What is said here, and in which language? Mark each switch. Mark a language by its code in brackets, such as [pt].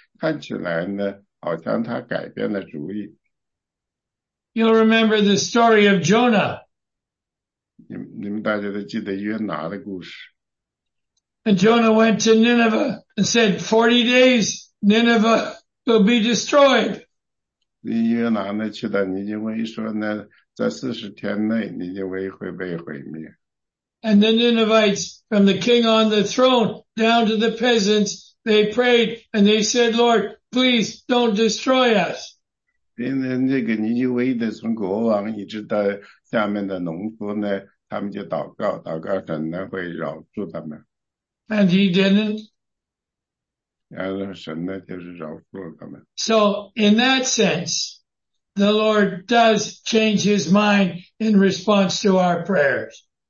[zh] 这个呢，他跟三妮说呢，就是说呢，从某种方面来讲，有时候呢，主对我们的祷告的回答呢，看起来呢，好像他改变了主意。 [en] You'll remember the story of Jonah. [zh] 你们大家都记得约拿的故事。 [en] And Jonah went to Nineveh and said, 40 days, Nineveh will be destroyed. [zh] 约拿呢，去到尼尼微说呢，在40天内，尼尼微会被毁灭。 [en] And the Ninevites, from the king on the throne down to the peasants, they prayed and they said, Lord, please don't destroy us. [zh] 因为那个尼尼微的从国王一直到下面的农夫呢，他们就祷告，祷告神呢会饶恕他们。 [en] And he didn't. [zh] 然后神呢，就是饶恕了他们。 [en] So in that sense, the Lord does change his mind in response to our prayers.